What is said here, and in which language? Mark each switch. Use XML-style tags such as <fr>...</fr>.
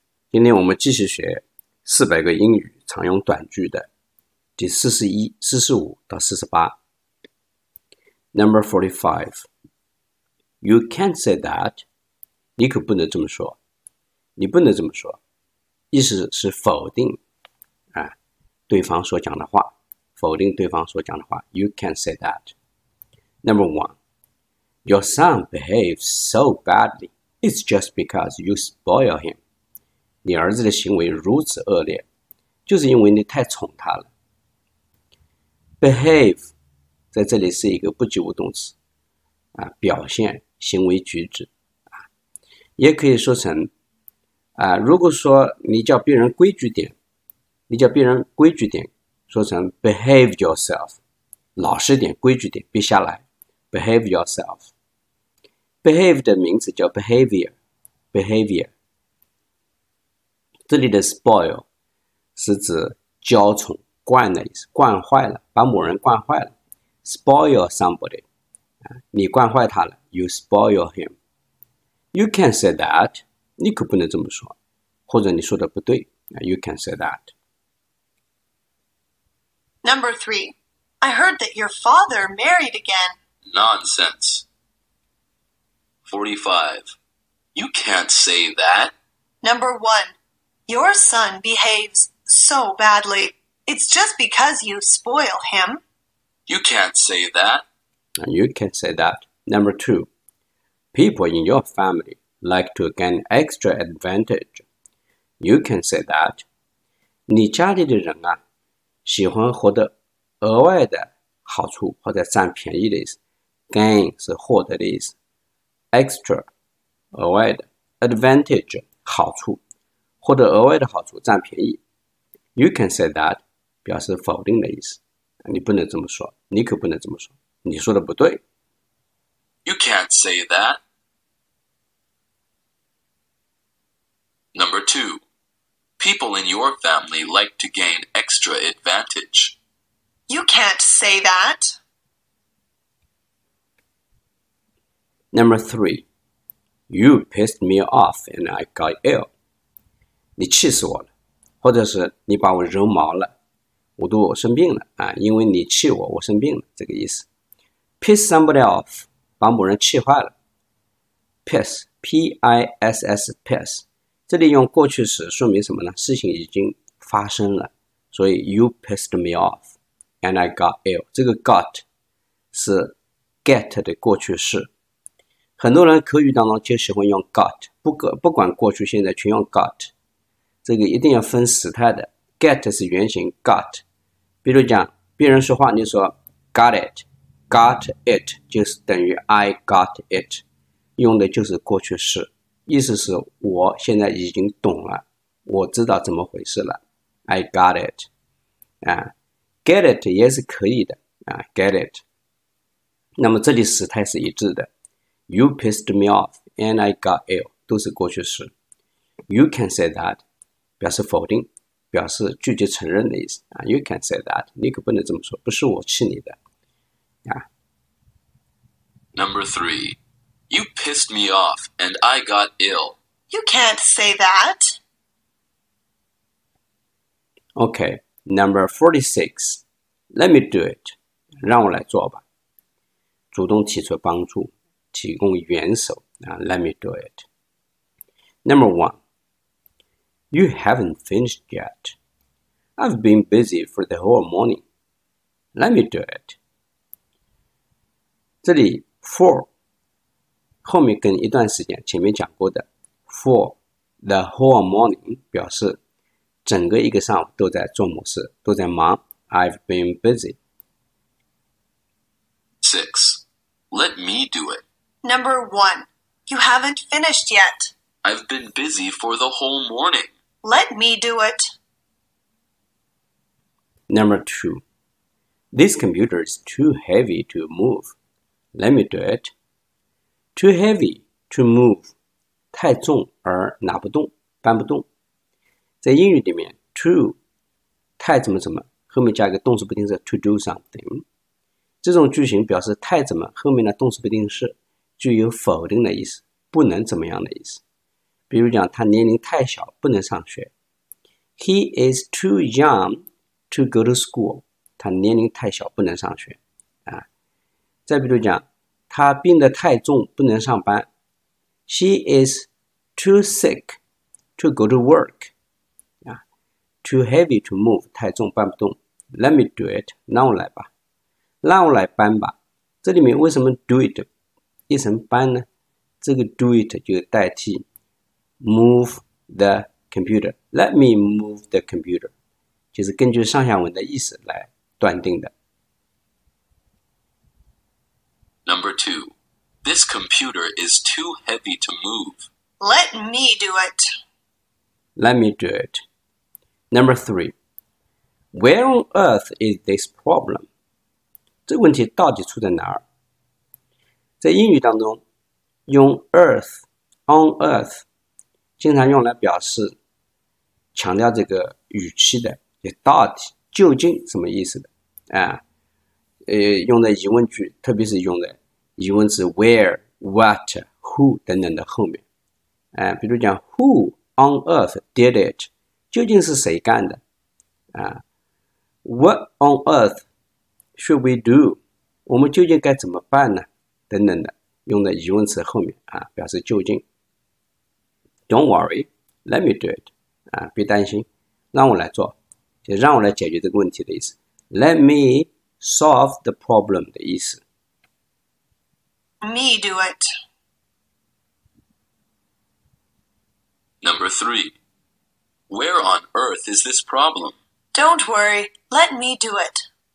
<zh>今天我们继续学400个英语常用短句的第41、45到48。</zh> <en>Number 45. You can't say that.</en> <zh>你可不能这么说。你不能这么说。意思是否定、对方所讲的话。否定对方所讲的话。</zh> <en>You can't say that. Number 1. Your son behaves so badly. It's just because you spoil him.</en> <zh>你儿子的行为如此恶劣，就是因为你太宠他了。 Behave 在这里是一个不及物动词、表现行为举止、也可以说成、如果说你叫别人规矩点，你叫别人规矩点，说成</zh> <en>behave yourself，</en> <zh>老实点，规矩点，别瞎来。</zh> <en>Behave yourself。</en> <zh>Behave 的名字叫 behavior。这里的 spoil 是指娇宠、惯的意思，惯坏了，把某人惯坏了。</zh> <en>Spoil somebody，</en> <zh>你惯坏他了</zh> <en>，you spoil him。 You can say that，</en> <zh>你可不能这么说，或者你说的不对 ，</zh> <en>you can say that。 Number 3， I heard that your father married again。 Nonsense。 45. You can't say that. Number 1. Your son behaves so badly. It's just because you spoil him. You can't say that. You can't say that. Number 2. People in your family like to gain extra advantage. You can say that.</en> <zh>你家里的人啊，喜欢获得额外的好处或者占便宜的意思。 Gain 是获得的意思。Extra, 额外的 advantage, 好处，获得额外的好处，占便宜。</zh> <en>You can say that,</en> <zh>表示否定的意思。你不能这么说，你可不能这么说，你说的不对。</zh> <en>You can't say that. Number 2, people in your family like to gain extra advantage. You can't say that. Number 3, you pissed me off and I got ill.</en> <zh>你气死我了，或者是你把我惹毛了，我都我生病了啊，因为你气我，我生病了，这个意思。</zh> <en>Piss somebody off,</en> <zh>把某人气坏了。</zh> <en>Piss, P-I-S-S, piss.</en> <zh>这里用过去时说明什么呢？事情已经发生了，所以</zh> <en>you pissed me off and I got ill.</en> <zh>这个 got 是 get 的过去式。很多人口语当中就喜欢用 got， 不管过去现在全用 got， 这个一定要分时态的。 get 是原型 got， 比如讲别人说话，你说 got it， got it 就是等于</zh> <en>I got it，</en> <zh>用的就是过去式，意思是我现在已经懂了，我知道怎么回事了， I got it， get it 也是可以的，get it， 那么这里时态是一致的。</zh> <en>You pissed me off and I got ill</en> <zh>都是过去式。</zh> <en>You can say that</en> <zh>表示否定，表示拒绝承认的意思。</zh> <en>You can say that</en> <zh>你可不能这么说，不是我气你的。</zh> <en>Number 3. You pissed me off and I got ill. You can't say that. Okay, number 46. Let me do it.</en> <zh>让我来做吧。主动提出帮助。提供援手、</zh> <en>Let me do it. Number 1. You haven't finished yet. I've been busy for the whole morning. Let me do it.</en> <zh>这里 for 后面跟一段时间，前面讲过的 for the whole morning 表示整个一个上午都在做某事，都在忙。</zh> <en>I've been busy. 6. Let me do it. Number 1. You haven't finished yet. I've been busy for the whole morning. Let me do it. Number 2. This computer is too heavy to move. Let me do it. Too heavy to move.</en> <zh>太重而拿不动，搬不动。在英语里面 too 太怎么怎么，后面加一个动词不定式 to do something. 这种句型表示太怎么，后面的动词不定式。具有否定的意思，不能怎么样的意思。比比如讲他年龄太小，不能上学。</zh> <en>He is too young to go to school.</en> <zh>他年龄太小，不能上学。啊，再比如讲，他病得太重，不能上班。</zh> <en>She is too sick to go to work. 啊，too heavy to move.</en> <zh>太重，搬不动。</zh> <en>Let me do it.</en> <zh>让我来吧。让我来搬吧。这里面为什么 do it 译成搬呢？</zh> <en>这个 do it</en> <zh>就代替</zh> <en>move the computer. Let me move the computer.</en> <zh>就是根据上下文的意思来断定的。</zh> <en>Number two, this computer is too heavy to move. Let me do it. Let me do it. Number three, where on earth is this problem?</en> <zh>这个问题到底出在哪儿？在英语当中，用 earth, on earth, 经常用来表示强调这个语气的，也到底究竟什么意思的啊？用在疑问句，特别是用在疑问词 where, what, who 等等的后面，比如讲</zh> <en>who on earth did it,</en> <zh>究竟是谁干的啊 ？</zh> <en>What on earth should we do?</en> <zh>我们究竟该怎么办呢？等等的，用在疑问词后面啊，表示究竟。</zh> <en>Don't worry, let me do it.</en> <zh>啊，别担心，让我来做，就让我来解决这个问题的意思。</zh> <en>Let me solve the problem</en> <zh>的意思。</zh> <en>Me do it. Number three. Where on earth is this problem? Don't worry. Let me do it.</en>